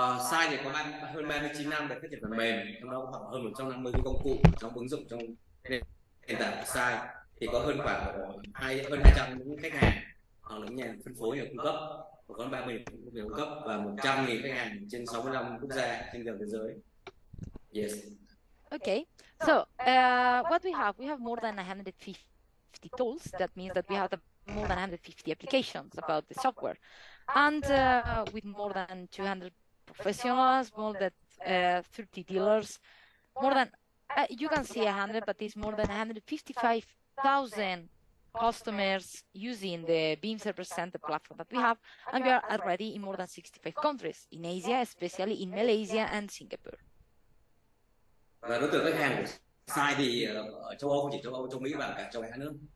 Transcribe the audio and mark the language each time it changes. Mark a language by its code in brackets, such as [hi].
[vi] Sai thì có hơn 39 năm về phát triển phần mềm, trong đó khoảng hơn 150 cái công cụ trong ứng dụng trong nền tảng của Sai. Thì có hơn khoảng hơn 200 những khách hàng hoặc là những nhà phân phối nhà cung cấp, và có 30 nhà cung cấp và 100.000 khách hàng trên 65 quốc gia trên toàn thế giới. [en] Yes. Okay, so what we have more than 150 tools. That means that we have more than 150 applications about the software, and with more than 200 professionals, more than 30 dealers, more than you can see 100, but it's more than 155,000 customers using the BIM Server Center platform that we have, and we are already in more than 65 countries in Asia, especially in Malaysia and Singapore. [vi] Và đối tượng khách hàng của Sai thì ở châu Âu, không chỉ châu Âu, châu Mỹ và cả châu Á nữa.